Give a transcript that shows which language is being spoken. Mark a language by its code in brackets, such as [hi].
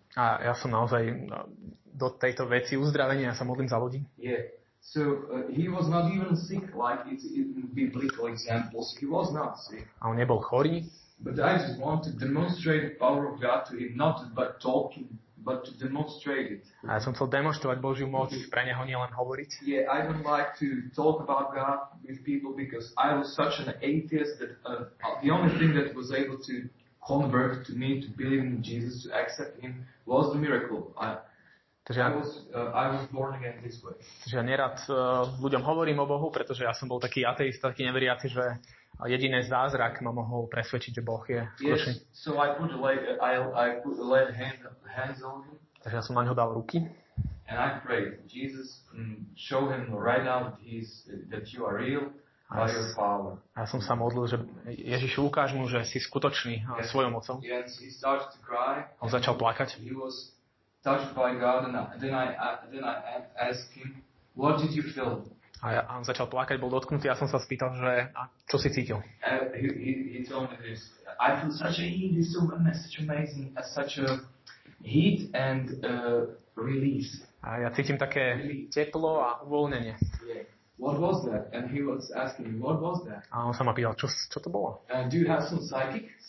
[sk] A ja som naozaj do tejto veci uzdravenia, ja sa modlím za ľudí. [en] Yeah. So he was not even sick like it's in biblical examples. He was not sick. [sk] A on nebol chorý. [en] But I just want to demonstrate the power of God to him, not by talking, but to demonstrate it. [sk] A ja som chcel demonstrovať Božiu moc pre neho, nie len hovoriť. [en] Yeah, I don't like to talk about God with people because I was such an atheist that the only thing that was able to convert to me, to believe in Jesus, to accept him, was the miracle. [sk] Takže ja, [en] I was born again this way. [sk] Ja nerad ľuďom hovorím o Bohu, pretože ja som bol taký ateista, taký neveriaci, že jediné zázrak ma mohol presvedčiť, že Boh je skutočný. [en] Yes, so I put hands on him. [sk] Takže ja som na neho dal ruky. [en] And I prayed, Jesus, show him right now that you are real by your power. [sk] Ja som sa modlil, že Ježiš, ukáž mu, že si skutočný svojou mocou. [en] Yes, he started to cry. [sk] On začal plakať. [en] He was touched by God, and then I asked him, what did you feel? [sk] A on začal plakať, bol dotknutý, ja som sa spýtal, že a čo si cítil? [en] He told me this. I feel such a heat, it's so such amazing, such a heat and release. [sk] A ja cítim také teplo a uvoľnenie. [en] Yeah. What was that? And he was asking, what was that? [sk] A on sa ma pýtal, čo to bolo? [en] Do you have some psychics?